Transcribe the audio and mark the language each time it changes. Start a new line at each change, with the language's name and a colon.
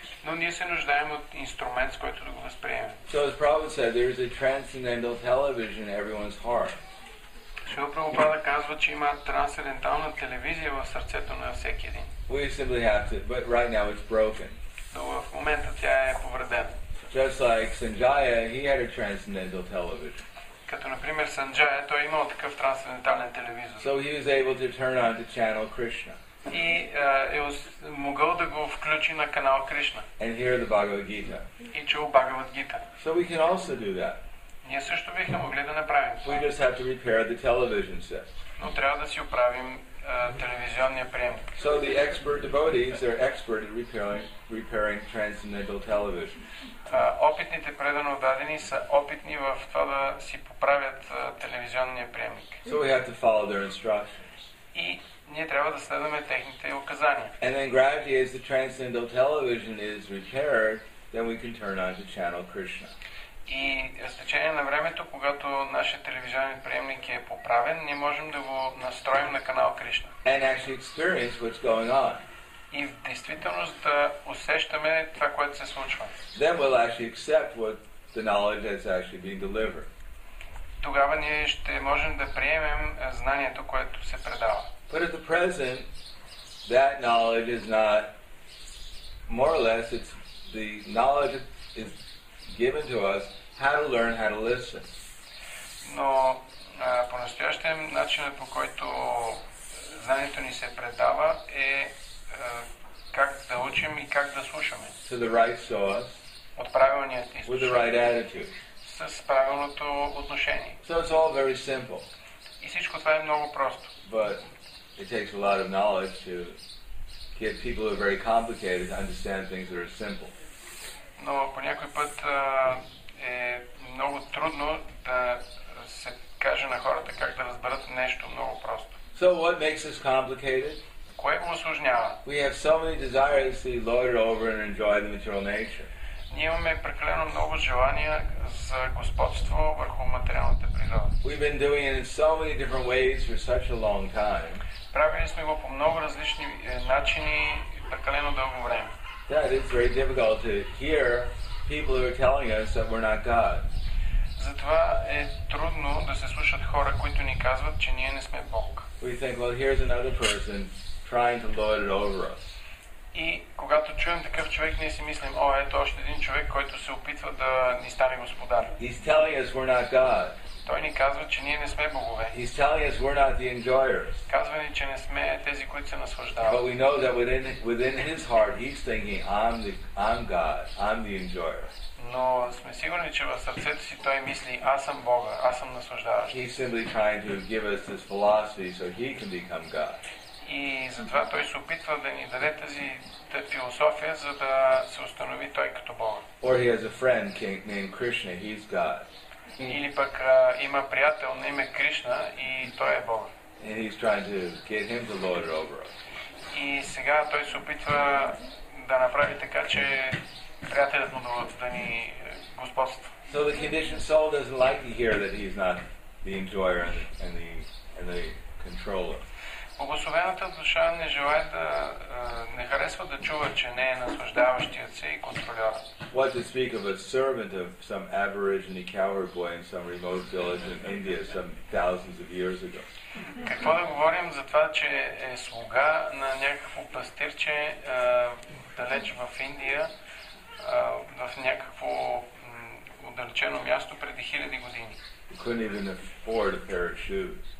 Bulgarian: Но ние се нуждаем от инструмент, с който да го възприемем.
English: So as Prabhupada said, there is a transcendental television in everyone's heart.
Bulgarian: Шрила Прабхупада казва, че има трансцендентална телевизия в сърцето на всеки един.
English: We simply have to, but right now it's broken.
Bulgarian: Но в момента тя е повредена.
English: Just like Sanjaya, he had a transcendental television.
Bulgarian: Като, например, Санджая, той е имал такъв трансцендентален телевизор.
English: So he was able to turn on to channel Krishna.
Bulgarian: и е могъл да го включи на канал Кришна.
English: And hear the Bhagavad Gita.
Bulgarian: И чул Бхагавад Гита.
English: So we can also do that.
Bulgarian: Ние също бихме могли да направим.
English: We just have to repair the television set.
Bulgarian: Но трябва да си оправим телевизионния приемник.
English: So the expert devotees are expert at repairing transcendental television.
Bulgarian: Опитните предано дадени са опитни в това да си поправят телевизионния приемник.
English: So we have to follow their instructions.
Bulgarian: И ние трябва да следваме техните указания.
English: And then gradually as the transcendental television is repaired, then we can turn on to channel Krishna.
Bulgarian: И с течение на времето, когато нашия телевизионен приемник е поправен, ние можем да го настроим на канал Кришна.
English: And actually experience what's going on.
Bulgarian: И в действителност да усещаме това, което се случва.
English: Then we'll actually accept what the knowledge that's actually being delivered.
Bulgarian: Тогава ние ще можем да приемем знанието, което се предава.
English: But at the present, that knowledge is not, more or less, it's the knowledge is given to us how to learn how to listen.
Bulgarian: Но по-настоящем начинът, по който знанието ни се предава, е как да учим и как да слушаме.
English: To the right source.
Bulgarian: От правилният изучение.
English: With the right attitude.
Bulgarian: С правилното отношение.
English: So it's all very simple.
Bulgarian: И всичко това е много просто.
English: But it takes a lot of knowledge to get people who are very complicated to understand things that are simple.
Bulgarian: Но по някой път е много трудно да се каже на хората как да разберат нещо много просто.
English: So what makes us complicated?
Bulgarian: Кое го усложнява?
English: We have so many desires to loiter over and enjoy the material nature.
Bulgarian: Ние имаме прекалено много желания за господство върху материалната природа.
English: We've been doing it in so many different ways for such a long time.
Bulgarian: Правили сме го по много различни начини прекалено дълго време.
English: That is very difficult to hear people who are telling us that we're not God.
Bulgarian: Затова е трудно да се слушат хора, които ни казват, че ние не сме Бог.
English: We think, well, here's another person trying to lord it over us.
Bulgarian: И когато чуем такъв човек, ние си мислим, о, ето още един човек, който се опитва да ни стане господар.
English: He's telling us we're not God.
Bulgarian: Той ни казва, че ние не сме богове.
English: He's telling us we're not the enjoyers.
Bulgarian: Казва ни, че не сме тези, които се наслаждават.
English: But we know that within his heart, he's thinking, I'm God, I'm the enjoyer.
Bulgarian: Но сме сигурни, че в сърцето си той мисли, аз съм Бога, аз съм наслаждаващ.
English: He's simply trying to give us this philosophy so he can become God.
Bulgarian: И затова той се опитва да ни даде тази философия, за да се установи той като Бога.
English: Or he has a friend named Krishna, he's God.
Bulgarian: Или пък има приятел на име Кришна и той е Бог.
English: And he's trying to get him to lord it over us.
Bulgarian: И сега той се опитва да направи така, че приятелят му да ни господства.
English: So the conditioned soul doesn't like to hear that he's not the enjoyer and the controller.
Bulgarian: Благословената душа не желая да не харесва да чува, че не е наслаждаващият се и контролер.
English: What to speak of a servant of some aborigine coward boy in some remote village in India some thousands of years ago?
Bulgarian: Какво да говорим за това, че е слуга на някакво пастирче далеч в Индия, в някакво отдалечено място преди хиляди години?
English: He couldn't even afford a pair of shoes.